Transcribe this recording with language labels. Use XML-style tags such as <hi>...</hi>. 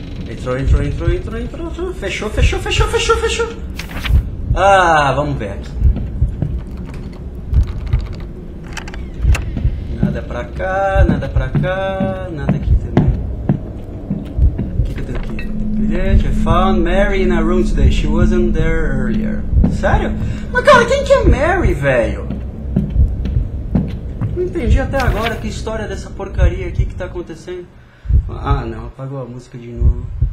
<pt>Entrou, entrou, entrou, entrou, entrou, entrou. Fechou, fechou, fechou, fechou, fechou. Ah, vamos ver aqui. Nada pra cá, nada pra cá, nada aqui também. O que que eu tenho aqui?</pt> <en>Bilhete, I found Mary in a room today. She wasn't there earlier.</en> <pt>Sério? Mas cara, quem que é Mary, velho? Não entendi até agora que história dessa porcaria aqui que tá acontecendo. Ah, não, apagou a música de novo.</pt>